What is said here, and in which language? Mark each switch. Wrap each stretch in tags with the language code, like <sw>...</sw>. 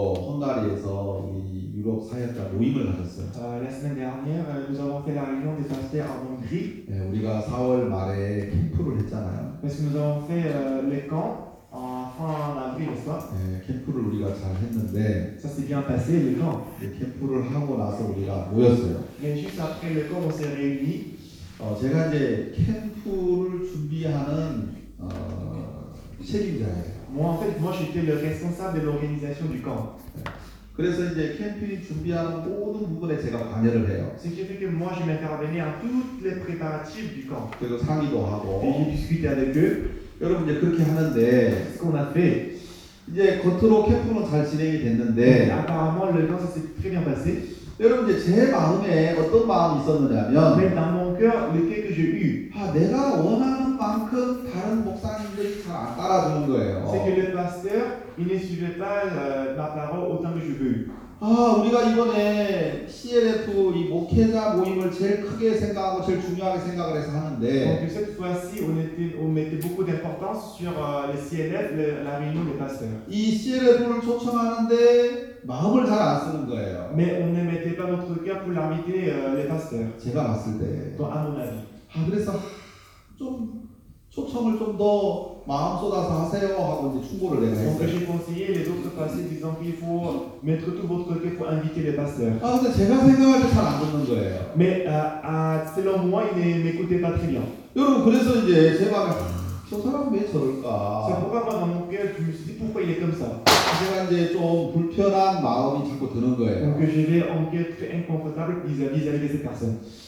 <ko>헝가리에서 이 유럽 사역자 모임을 가졌어요.</ko> <fr>La semaine dernière, nous avons fait la réunion des pasteurs en Hongrie.</fr> <ko>네, 우리가 4월 말에 캠프를 했잖아요.</ko> <fr>Parce que nous avons fait le camp en fin avril, n'est-ce pas?</fr> <ko>네, 캠프를 우리가 잘 했는데.</ko> <fr>Ça s'est bien passé, le camp.</fr> <ko>네, 캠프를 하고 나서 우리가 모였어요.</ko> <fr>Mais juste après le camp, on s'est réunis.</fr> <ko>제가 이제 캠프를 준비하는 책임자예요.</ko> <fr>Moi en fait, moi j'étais le responsable de l'organisation du camp.</fr> <ko>그래서 이제 캠핑이 준비하는 모든 부분에 제가 관여를 해요.</ko> <fr>Ce qui fait que moi je m'intervenais en toutes les préparatifs du camp.</fr> <ko>그리고 상의도 하고.</ko> <fr>Et j'ai discuté avec eux.</fr> <ko>여러분 이제 그렇게 하는데.</ko> <fr>Ce qu'on a fait.</fr> <ko>이제 겉으로 캠프는 잘 진행이 됐는데.</ko> <fr>Apparemment le camp s'est très bien passé.</fr> <ko>여러분 이제 제 마음에 어떤 마음이 있었느냐면</ko> <fr>Mais dans mon cœur, lequel que j'ai eu</fr> <ko>아, 내가 원하는 만큼 다른 목사님들이 잘 안 따라주는 거예요.</ko> <fr>C'est que le pasteur, il ne suivait pas ma parole autant que je veux.</fr> <ko>아, 우리가 이번에 CLF 이 목회자 모임을 제일 크게 생각하고 제일 중요하게 생각을 해서 하는데</ko> <fr>Donc cette fois-ci, on mettait beaucoup d'importance sur le CLF, la réunion des pasteurs.</fr> <ko>이 CLF를 초청하는데 마음을 잘 안 쓰는 거예요.</ko> <fr>Mais on ne mettait pas notre cœur pour l'inviter les pasteurs.</fr> <ko>제가 봤을 때.</ko> <fr>Donc à mon avis.</fr> <ko>아, 그래서 좀 초청을 좀 더 마음 쏟아서 하세요 하고 이제 충고를 내가 했어요.</ko> <fr>Donc j'ai conseillé les autres pasteurs disant qu'il faut mettre tout votre cœur pour inviter les pasteurs.</fr> <ko>아, 근데 제가 생각할 때 잘 안 듣는 거예요.</ko> <fr>Mais selon moi, ils ne m'écoutaient pas très bien.</fr> <ko>여러분, 그래서 이제 제 마음 저 사람 왜 저럴까?</ko> <fr>C'est pourquoi dans mon cœur, je me suis dit pourquoi il est comme ça.</fr> <ko>제가 이제 좀 불편한 마음이 자꾸 드는 거예요.</ko> <fr>Donc j'avais un cœur très inconfortable vis-à-vis de cette personne.</fr>